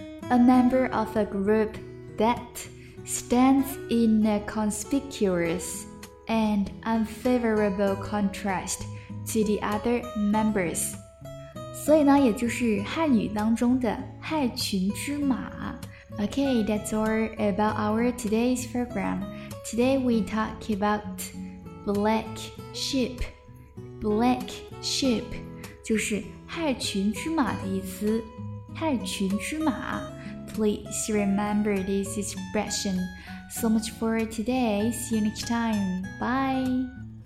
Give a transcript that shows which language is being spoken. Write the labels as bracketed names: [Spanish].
[English] A member of a group that stands in a conspicuous and unfavorable contrast to the other members. [Chinese] 所以呢，也就是汉语当中的害群之马。 [English] Okay, that's all about our today's program. Today we talk about black sheep. Black sheep. [Chinese] 就是害群之马的意思，害群之马。 [English] Please remember this expression. So much for today. See you next time. Bye.